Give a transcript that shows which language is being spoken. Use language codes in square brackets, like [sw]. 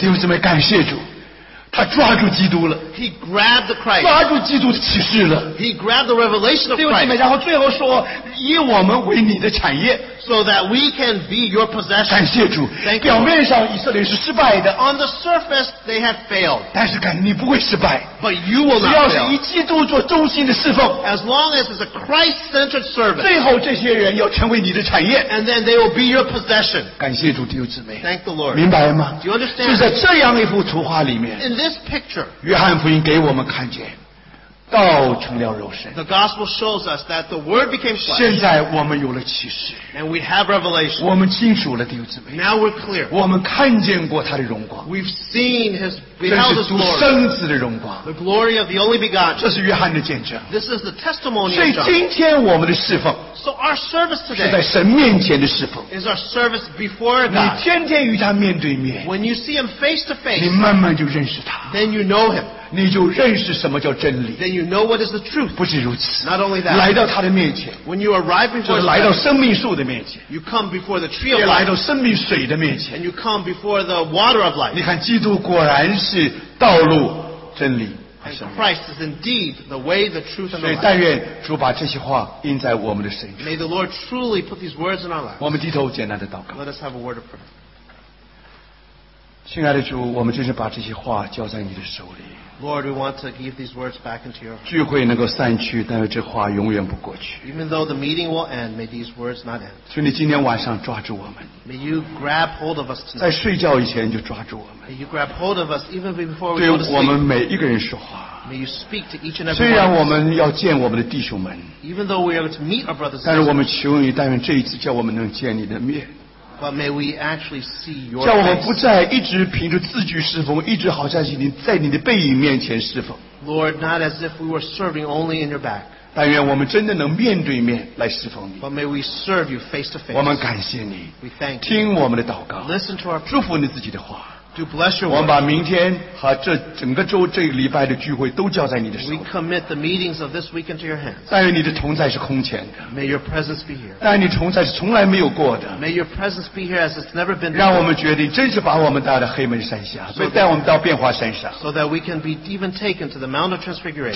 [zh] 弟兄姊妹感谢主, 他抓住基督了, [en] he grabbed the Christ, [zh] 抓住基督的启示了, [en] he grabbed the revelation of Christ. [zh] 弟兄姊妹,然后最后说, 以我们为你的产业, [en] so that we can be your possession. [zh] 感谢主, [en] thank you. [zh] 表面上以色列是失败的, [en] on the surface they have failed, [zh] 但是你不会失败, [en] but you will not fail. [zh] 只要是以基督做中心的侍奉, [en] as long as it's a Christ-centered service, [zh] 最后这些人要成为你的产业, [en] and then they will be your possession. [zh] 感谢主, 弟兄姊妹, [en] thank the Lord. [zh] 明白吗? [en] Do you understand? [zh] 就在这样一幅图画里面, [en] in this picture, [zh] 约翰福音给我们看见, 道成了肉身, [en] the gospel shows us that the word became flesh. [zh] 现在我们有了启示, [en] and we have revelation. [zh] 我们清楚了弟兄姊妹, [en] now we're clear. [zh] 我们看见过他的荣光, [en] we've seen his beheld his glory, the glory of the only begotten. [zh] 这是约翰的见证, [en] this is the testimony [zh] 所以今天我们的侍奉, [en] of John. So our service today [zh] 是在神面前的侍奉, [en] is our service before God. [zh] 你天天与他面对面, [en] when you see him face to face, [zh] 你慢慢就认识他, [en] then you know him, [zh] 你就认识什么叫真理, [en] then you know what is the truth. [zh] 不止如此, [en] not only that, [zh] 来到他的面前, [en] when you arrive in Jesus, you come before the tree of life, and you come before the water of life. [zh] 你看基督果然是道路, [en] and Christ is indeed the way, the truth, and the life. [zh] 所以但愿主把这些话印在我们的身上, [en] may the Lord truly put these words in our lives. [zh] 我们低头简单的祷告, [en] let us have a word of prayer. [zh] 亲爱的主, 我们真是把这些话交在你的手里, [en] Lord, we want to give these words back into your heart. [zh] 聚会能够散去, 但是这话永远不过去。 [en] Even though the meeting will end, may these words not end. [zh] 求你今天晚上抓住我们。 [en] May you grab hold of us tonight. [zh] 在睡觉以前就抓住我们。 [en] May you grab hold of us even before we go to sleep. [zh] 对我们每一个人说话。 [en] May you speak to each and every one. [zh] 虽然我们要见我们的弟兄们, [en] even though we are to meet our brothers, [zh] 但是我们求你, 但愿这一次叫我们能见你的面。 [en] But may we actually see your face. [zh] 叫我们不再一直凭着字句侍奉, 一直好像在你的背影面前侍奉。 [en] Lord, not as if we were serving only in your back. [zh] 但愿我们真的能面对面来侍奉你。 [en] But may we serve you face to face. [zh] 我们感谢你。 [en] We thank you. [zh] 听我们的祷告。 [en] Listen to our prayer. [zh] 祝福你自己的话。 [en] Do bless your word. [zh] 我们把明天和这整个周这个礼拜的聚会都交在你的手里。 [en] We commit the meetings of this week into your hands. [zh] 但愿你的同在是空前的。 [en] May your presence be here. [zh] 但愿你同在是从来没有过的。 [en] May your presence be here as it's never been before. [zh] 让我们决定真是把我们带到黑门山下, 带我们到变化山上。 [en] So that we can be even taken to the Mount of Transfiguration.